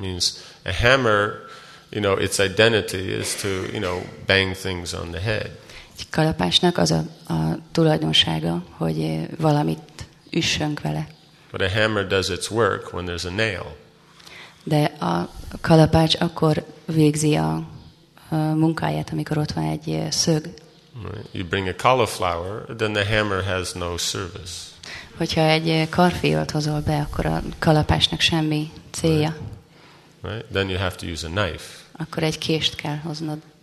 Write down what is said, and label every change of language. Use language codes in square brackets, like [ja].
[en] Means a hammer, you know, its identity is to, you know, bang things on the head. [hu] Egy kalapásnak az a tulajdonsága, hogy valamit üssönk vele. [en] But a hammer does its work when there's a nail. [hu] De a kalapács akkor végzi a munkáját, amikor ott van egy szög. [en] Right. You bring a cauliflower, then the hammer has no service. [hu] Hogyha egy karfiolt hozol be, akkor a kalapásnak semmi célja. [en] Right. Then you have to use a knife. [hu] Akkor egy kést kell hoznod.